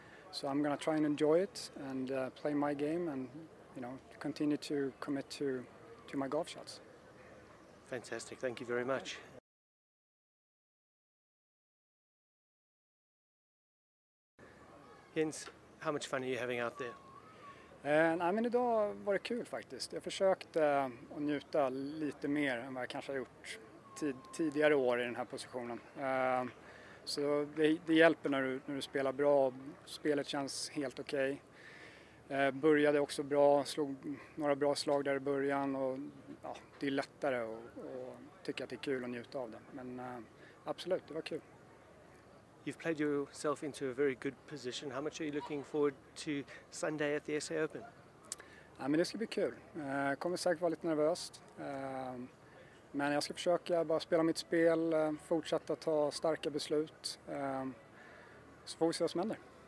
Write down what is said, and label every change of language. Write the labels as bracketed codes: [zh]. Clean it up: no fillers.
[en] So I'm going to try and enjoy it and play my game and, you know, continue to commit to my golf shots. Fantastic. Thank you very much. Jens, how much fun are you having out there? [sv] Nej, men idag var det kul faktiskt. Jag försökte att njuta lite mer än vad jag kanske har gjort tidigare år i den här positionen. Så det hjälper när du spelar bra. Spelet känns helt okej. Började också bra, slog några bra slag där i början. Och, ja, det är lättare att tycka att det är kul att njuta av det. Men absolut, det var kul. [en] You've played yourself into a very good position. How much are you looking forward to Sunday at the SA Open? [sv] Ja, men det ska bli kul. Jag kommer säkert vara lite nervöst. Men jag ska försöka bara spela mitt spel, fortsätta ta starka beslut. Så får vi se vad som händer.